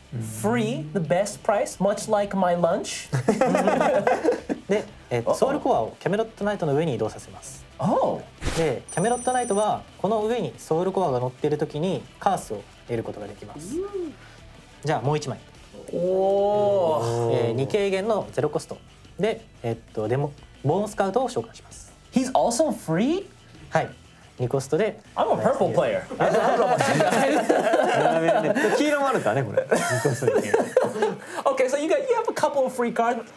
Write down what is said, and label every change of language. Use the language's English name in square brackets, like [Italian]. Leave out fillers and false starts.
[English] Free, the best price, much like my lunch. [Japanese] で、ソウルコアをキャメロットナイトの上に移動させます。 [English] Oh. [Japanese] で、キャメロットナイトはこの上にソウルコアが乗っているときにカースを得ることができます。じゃあもう一枚。おお。二軽減のゼロコストで、でもボーンスカウトを召喚します。 [English] He's also free? [Japanese] はい。二コストで。 [English] I'm a purple player. [Japanese] ネット黄色もあるからねこれ。 [English] okay, so you have a couple of free cards.